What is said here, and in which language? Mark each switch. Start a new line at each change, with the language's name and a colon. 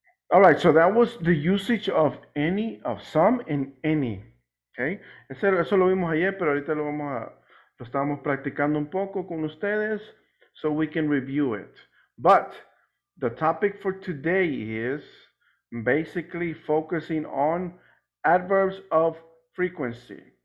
English: All right, so that was the usage of any, of some, and any. Okay.
Spanish: Eso lo vimos ayer, pero ahorita lo estábamos practicando un poco con ustedes,
English: so we can review it. But the topic for today is basically focusing on adverbs of frequency.